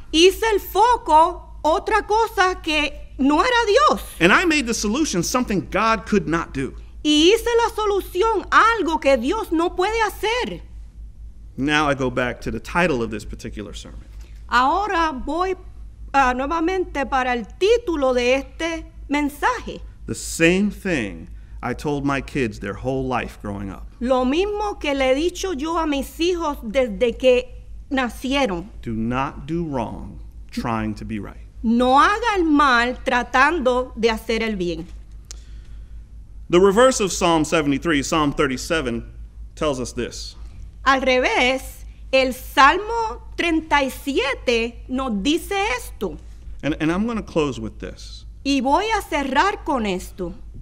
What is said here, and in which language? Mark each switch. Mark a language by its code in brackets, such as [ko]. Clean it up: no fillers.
[es] Hice el foco otra cosa que no era Dios. [en] And I made the solution something God could not do. [es] Y hice la solución algo que Dios no puede hacer. [en] Now I go back to the title of this particular sermon. [es] Ahora voy nuevamente para el título de este mensaje. [en] The same thing I told my kids their whole life growing up. [es] Lo mismo que le he dicho yo a mis hijos desde que nacieron. [en] Do not do wrong trying to be right. [es] No haga el mal tratando de hacer el bien. [en] The reverse of Psalm 73, Psalm 37, tells us this. [es] Al revés, el Salmo 37 nos dice esto. [en] And I'm going to close with this. [es] Y voy a cerrar con esto.